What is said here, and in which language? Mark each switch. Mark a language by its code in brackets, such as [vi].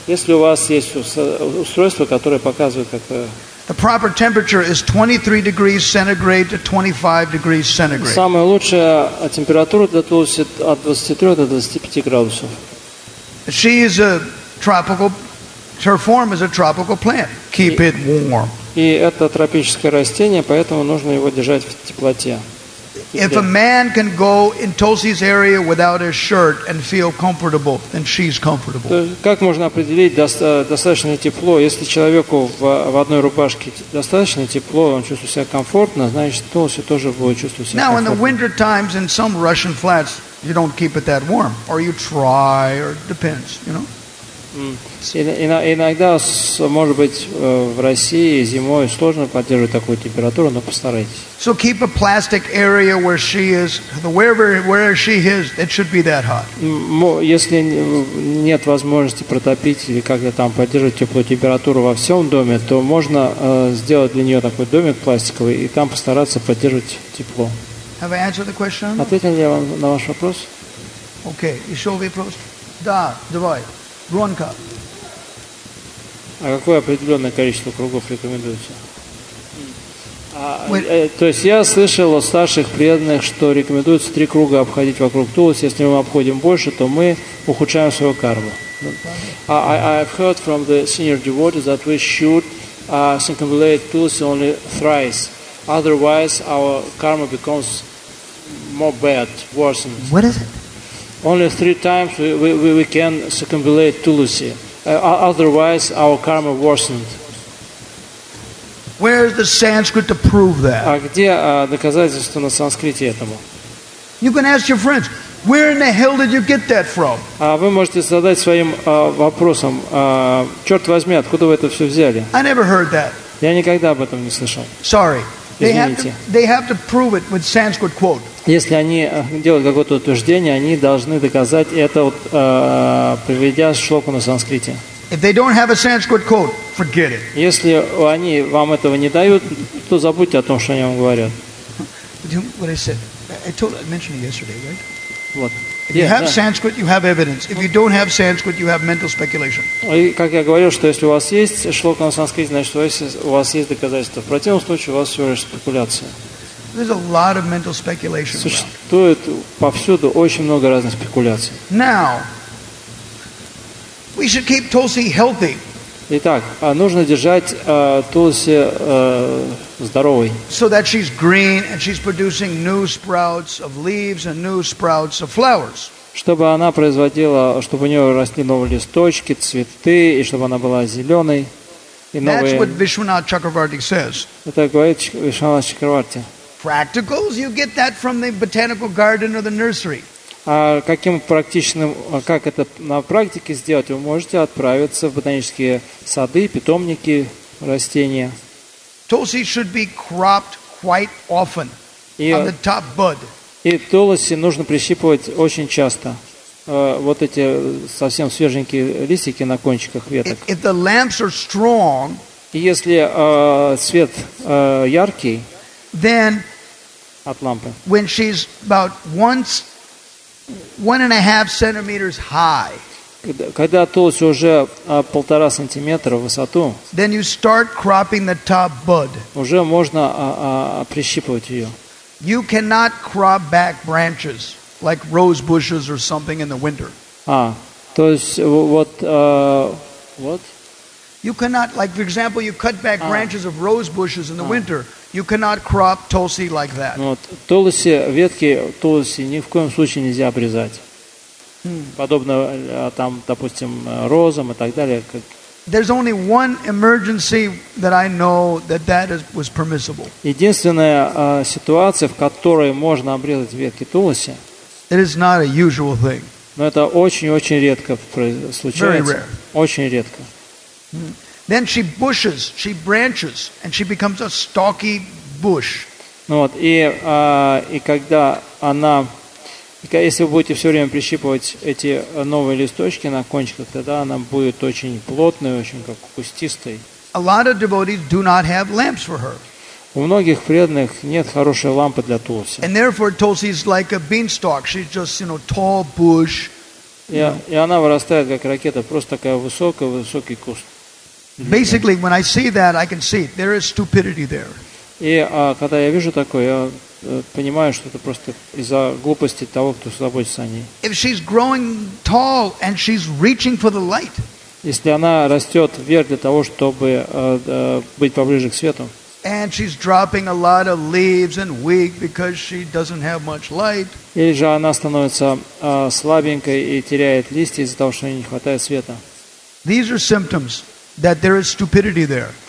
[ru] Если у вас есть устройство, которое показывает как. [en] The proper temperature is 23 degrees centigrade to 25 degrees centigrade. [ru] Самая лучшая температура для тулуси от 23 до 25 градусов. [en] She is a tropical. Her form is a tropical plant. Keep it warm. [ru] И это тропическое растение, поэтому нужно его держать в теплоте. [en] If a man can go in Tulsi's area without his shirt and feel comfortable, then she's comfortable. [ru] Как можно определить, достаточно тепло, если человеку в одной рубашке достаточно тепло, он чувствует себя комфортно, значит, Тулси тоже будет чувствовать себя комфортно. [en] Now in the winter times in some Russian flats, you don't keep it that warm, or you try, or depends, you know. [ru] Иногда, может быть, в России зимой сложно поддерживать такую температуру, но постарайтесь. [en] So keep a plastic area where she is, where she is, it should be that hot. [ru] Если нет возможности протопить или как-то там поддерживать теплую температуру во всем доме, то можно сделать для нее такой домик пластиковый и там постараться поддерживать тепло. [en] Have I answered the question? [ru] Ответил я вам на ваш вопрос? Okay, еще вопрос? Да, давай. Ронка. А какое определенное количество кругов рекомендуется? То есть я слышал от старших преданных, что рекомендуется три круга обходить вокруг Тулси. Если мы обходим больше, то мы ухудшаем свою карму. [en] I've heard from the senior devotees that we should circumambulate Tulsi only thrice. Otherwise, our karma becomes more bad, worsened. What is it? Only three times we can circumambulate Tulsi. Otherwise, our karma worsened. Where is the Sanskrit to prove that? [ru] А где доказательство на санскрите этому? [en] You can ask your friends. Where in the hell did you get that from? [ru] Вы можете задать своим вопросом. Черт возьми, откуда вы это все взяли? [en] I never heard that. [ru] Я никогда об этом не слышал. [en] Sorry. They have to prove it with Sanskrit quote. [ru] Если они делают какое-то утверждение, они должны доказать это, приведя шлоку на санскрите. [en] If they don't have a Sanskrit quote, forget it. [ru] Если они вам этого не дают, то забудьте о том, что они вам говорят. [en] What I said, I mentioned it yesterday, right? What? If you have Sanskrit, you have evidence. If you don't have Sanskrit, you have mental speculation. [ru] И как я говорил, что если у вас есть шлока на санскрите, значит, у вас есть доказательства. В противном случае у вас всего лишь спекуляция. [en] There's a lot of mental speculation. [ru] Существует повсюду очень много разных спекуляций. [en] Now, we should keep Tulsi healthy. [ru] Итак, нужно держать Тулси здоровой. [en] So that she's green and she's producing new sprouts of leaves and new sprouts of flowers. [ru] Чтобы она производила, чтобы у нее росли новые листочки, цветы, и чтобы она была зеленой и новые. [en] That's what Vishwanath Chakravarti says. [ru] Это говорит Вишванат Чакраварти. [en] Practicals, you get that from the botanical garden or the nursery. [ru] А каким практичным, как это на практике сделать, вы можете отправиться в ботанические сады, питомники, растения. [en] Tulsi should be cropped quite often on the top bud. [ru] И Тулси нужно прищипывать очень часто. Вот эти совсем свеженькие листики на кончиках веток. [en] If the lamps are strong, [ru] если свет яркий, [en] then [ru] от лампы. [en] When she's about one and a half centimeters high. [ru] Когда Тулси уже полтора сантиметра в высоту, [en] then you start cropping the top bud. [ru] Уже можно прищипывать ее. [en] You cannot crop back branches like rose bushes or something in the winter. [ru] То есть [en] what? You cannot, like for example, you cut back branches of rose bushes in the winter. You cannot crop Tulsi like that. [ru] Вот Тулси, ветки Тулси ни в коем случае нельзя обрезать. Подобно там, допустим, розам и так далее. [en] There's only one emergency that I know that was permissible. [ru] Единственная ситуация, в которой можно обрезать ветки Тулси. [en] It is not a usual thing. [ru] Но это очень-очень редко случается. [en] Very rare. [ru] Очень редко. [en] Then she bushes, she branches, and she becomes a stalky bush. [ru] Вот, и когда она, если вы будете все время прищипывать эти новые листочки на кончиках, тогда она будет очень плотной, очень как кустистой. [en] A lot of devotees do not have lamps for her. [ru] У многих преданных нет хорошей лампы для Тулси. [en] And therefore, Tulsi is like a beanstalk. She's just, you know, tall bush. [ru] И она вырастает как ракета, просто такая высокая, высокий куст. [en] Basically, when I see that, I can see it. There is stupidity there. [ru] И когда я вижу такое, я понимаю, что это просто из-за глупости того, кто заботится о ней. [en] If she's growing tall and she's reaching for the light. [ru] Если она растет вверх для того, чтобы быть поближе к свету. [en] And she's dropping a lot of leaves and weak because she doesn't have much light. [ru] Или же она становится слабенькой и теряет листья из-за того, что ей не хватает света. [en] These are symptoms that there is stupidity there.